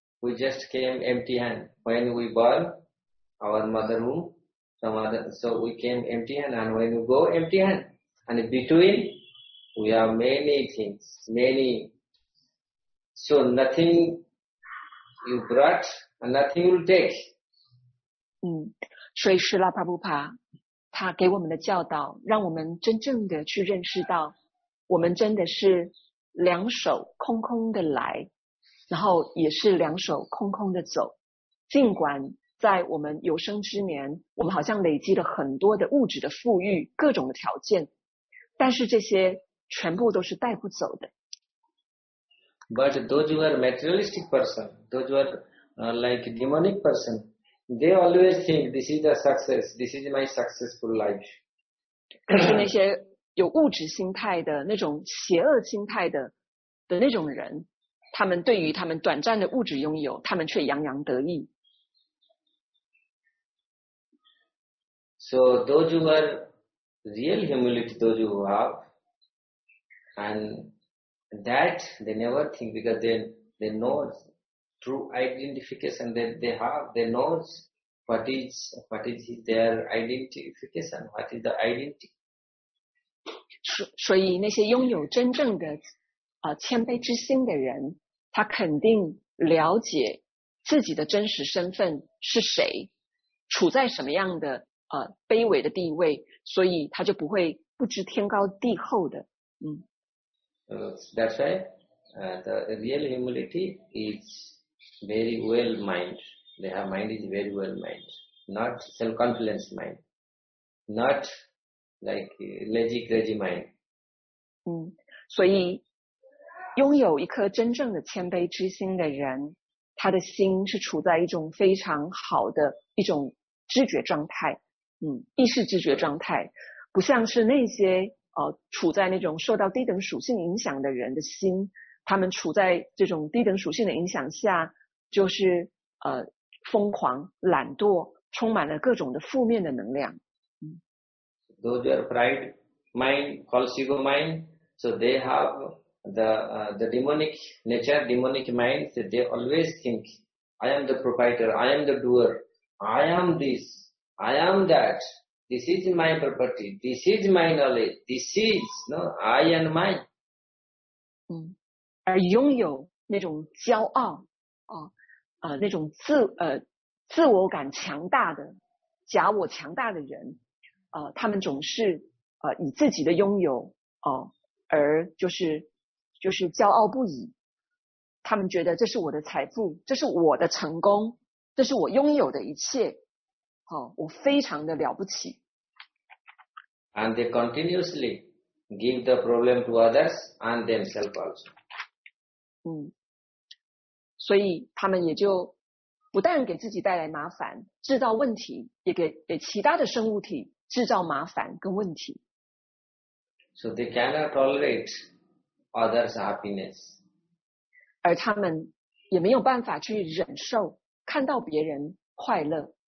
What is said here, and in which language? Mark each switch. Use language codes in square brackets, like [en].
[en] We just came empty hand. When we born, our mother womb, some other, so we came empty hand, and when we go empty hand.And between We are many things, many. So nothing you brought and nothing you take. [zh] 所以释拉帕布帕他给我们的教导让我们真正的去认识到我们真的是两手空空的来然后也是两手空空的走尽管在我们有生之年我们好像累积了很多的物质的富裕各种的条件但是这些全部都是带不走的 [en] But those who are materialistic person those who are like demonic personThey always think this is a success. This is my successful life. [zh] 可是那些有物质心态的那种邪恶心态的那种人，他们对于他们短暂的物质拥有，他们却洋洋得意。 [en] So those who are real humility, those who have, and that they never think because they know true identification that they have. They know. What is their identification? What is the identity? [zh] 所以那些拥有真正的谦卑之心的人，他肯定了解自己的真实身份是谁，处在什么样的卑微的地位，所以他就不会不知天高地厚的。 [en] That's why the real humility is very well mind. Their mind is very well mind, not self-confidence mind, not like lazy, crazy mind. [zh] 所以拥有一颗真正的谦卑之心的人，他的心是处在一种非常好的一种知觉状态，意识知觉状态，不像是那些处在那种受到低等属性影响的人的心，他们处在这种低等属性的影响下，就是疯狂、懒惰，充满了各种的负面的能量。 [en] Those are pride mind, false ego mind. So they have the demonic nature, demonic mind. So they always think, I am the proprietor, I am the doer, I am this, I am that. This is my property. This is my knowledge. This is no I and mine. [zh] 而拥有那种骄傲那种自我感强大的假我强大的人他们总是以自己的拥有而就是骄傲不已他们觉得这是我的财富这是我的成功这是我拥有的一切我非常的了不起 [en] And they continuously give the problem to others and themselves also. [zh] 所以他们也就不但给自己带来麻烦制造问题也给其他的生物体制造麻烦跟问题 [en] So they cannot tolerate others' happiness [zh] 而他们也没有办法去忍受看到别人快乐